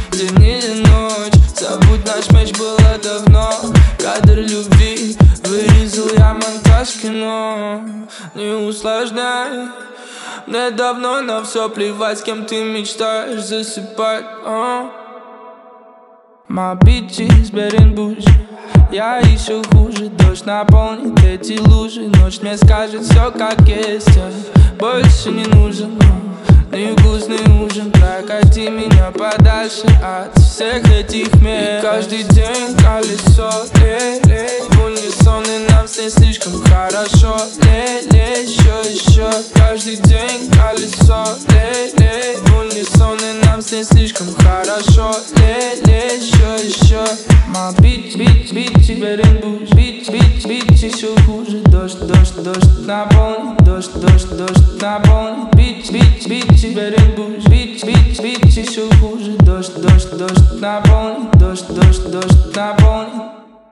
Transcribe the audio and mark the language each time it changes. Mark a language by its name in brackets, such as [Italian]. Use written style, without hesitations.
[Russian] День или ночь, забудь, наш меч было давно. Кадр любви вырезал я монтаж кино. Не усложняй мне давно на все плевать, с кем ты мечтаешь засыпать, а? [English] My bitch is bad and bougie. [Russian] Я еще хуже, дождь наполнит эти лужи. Ночь мне скажет все как есть, а больше не нужен. Невкусный ужин, прокати меня подальше от всех этих мест. И каждый день колесо, в унисон, и нам все слишком хорошо. Еще. Каждый день колесо, в унисон, и нам все слишком хорошо. Еще. [English] My bitch is bad and bougie. [Russian] Bitch еще хуже, дождь наполнит. Дождь наполнит. [English] Bitch is bad and bougie. [Russian] Bitch еще хуже, дождь наполнит. Дождь наполнит.